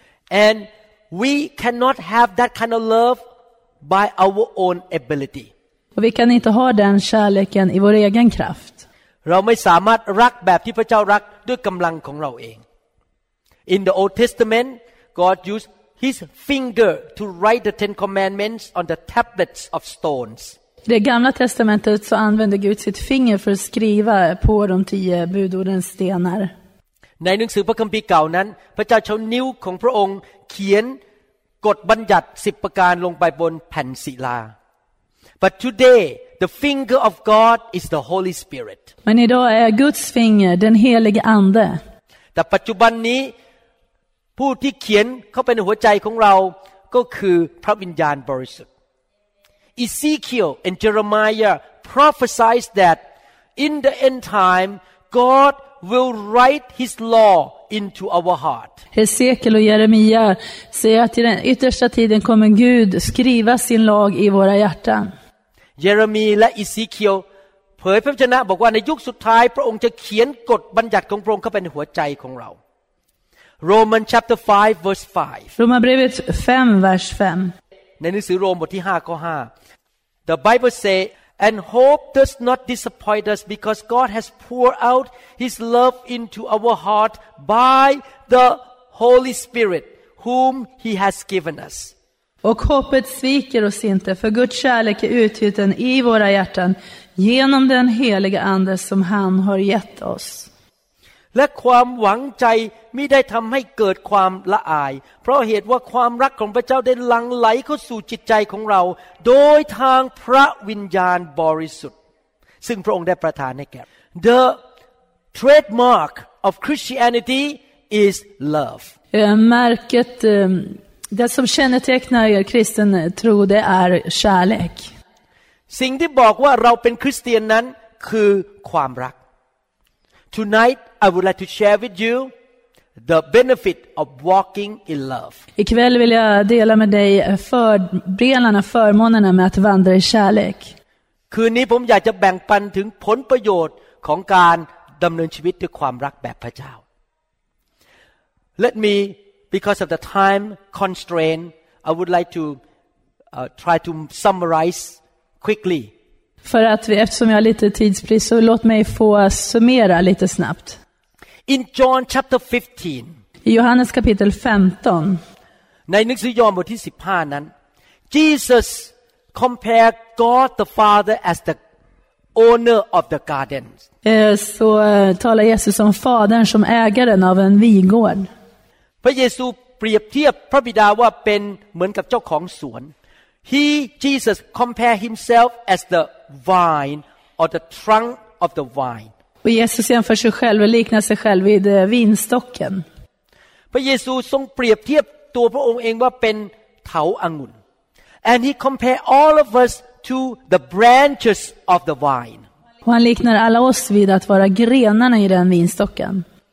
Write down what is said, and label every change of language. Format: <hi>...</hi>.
<en>And we cannot have that kind of love by our own ability.</en> <sv>Och vi kan inte ha den kärleken i vår egen kraft.</sv> <th>เราไม่สามารถรักแบบที่พระเจ้ารักด้วยกำลังของเราเอง</th> <en>In the Old Testament,God used his finger to write the Ten Commandments on the tablets of stones.</en> <sv>I det gamla testamentet så använde Gud sitt finger för att skriva på de 10 budordens stenar.</sv> <th>ในหนังสือพระคัมภีร์เก่านั้นพระเจ้าใช้นิ้วของพระองค์เขียนกฎบัญญัติ 10 ประการลงไปบนแผ่นศิลา</th> <en>But today, the finger of God is the Holy Spirit.</en> <sv>Men idag är Guds finger den helige ande.</sv> <th>แต่ปัจจุบันนี้ผู้ที่เขียนเข้าไปในหัวใจของเราก็คือพระวิญญาณบริสุทธิ์</th> <en>Ezekiel and Jeremiah prophesied that in the end time God will write his law into our heart.</en> <sv>Ezekiel och Jeremia säger att i den yttersta tiden kommer Gud skriva sin lag i våra hjärtan.</sv> <th>Jeremiah และ Ezekiel เผยพระวจนะบอกว่าในยุคสุดท้ายพระองค์จะเขียนกฎบัญญัติของพระองค์เข้าไปในหัวใจของเรา</th> <en>Roman chapter 5 verse 5.</en> <sv>Romarbrevet 5 vers 5.</sv> <th>ในหนังสือโรมบทที่5ข้อ5.</th> <en>The Bible say, and hope does not disappoint us because God has poured out his love into our heart by the Holy Spirit whom he has given us.</en> <sv>Och hoppet sviker oss inte för Guds kärlek är utgjuten i våra hjärtan genom den helige ande som han har gett oss.</sv> <th>และความหวังใจไม่ได้ทำให้เกิดความละอายเพราะเหตุว่าความรักของพระเจ้าได้หลั่งไหลเข้าสู่จิตใจของเราโดยทางพระวิญญาณบริสุทธิ์ซึ่งพระองค์ได้ประทานให้แก่</th> <en>The trademark of Christianity is love.</en> <sv>Märket det som kännetecknar er kristen tro det är kärlek.</sv> <th>สิ่งที่บอกว่าเราเป็นคริสเตียนนั้นคือความรัก</th> <en>Tonight I would like to share with you the benefit of walking in love.</en> <sv>I kväll vill jag dela med dig fördelarna och förmånerna med att vandra i kärlek.</sv> <th>คืนนี้ผมอยากจะแบ่งปันถึงผลประโยชน์ของการ ดำเนินชีวิตด้วยความรักแบบพระเจ้า</th> <en>Let me, because of the time constraint, I would like to try to summarize quickly.</en> <sv>För att vi, eftersom jag har lite tidsbrist, så låt mig få summera lite snabbt.</sv> <en>In John chapter 15.</en> <sv>I Johannes kapitel 15.</sv> <th>ในหนังสือยอห์นบทที่15นั้น</th> <en>Jesus compared God the Father as the owner of the garden.</en> <sv>Så talar Jesus om fadern som ägaren av en vingård.</sv> <th>พระเยซูเปรียบเทียบพระบิดาว่าเป็นเหมือนกับเจ้าของสวน</th> <en>He Jesus compare himself as the vine or the trunk of the vine.</en> <sv>Och Jesus jämför sig själv och liknar sig själv vid vinstocken.</sv> <th>พระเยซูทรงเปรียบเทียบตัวพระองค์เองว่าเป็นเถาองุ่น</th> <en>And he compare all of us to the branches of the vine.</en> <sv>Och han liknar alla oss vid att vara grenarna i den vinstocken.</sv>